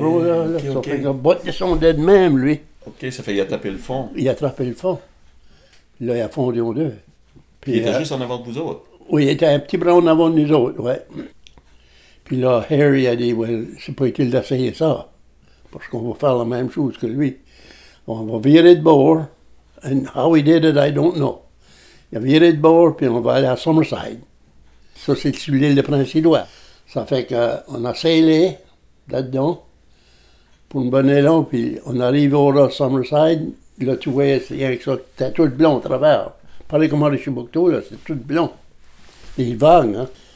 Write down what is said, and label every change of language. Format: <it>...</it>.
<fr>Ça fait que le bot descendait de même, lui. OK, ça fait qu'il a tapé le fond. Il a attrapé le fond. Là, il a fondu en deux. Puis, il était juste en avant de vous autres? Oui, il était un petit bras en avant de nous autres, oui. Puis là, Harry a dit, well, c'est pas utile d'essayer ça, parce qu'on va faire la même chose que lui. On va virer de bord,</fr> <en>and how he did it, I don't know.</en> <fr>Il a viré de bord, puis on va aller à Summerside. Ça, c'est sur l'île de Prince-Édouard. Ça fait qu'on a sailé là-dedans, pour une bonne élan, puis on arrive au Ross Summerside. Là, tu vois, c'est rien que ça, c'était tout blanc au travers. Pareil comme à Richibucto, là, c'est tout blanc. Les vagues, hein.</fr>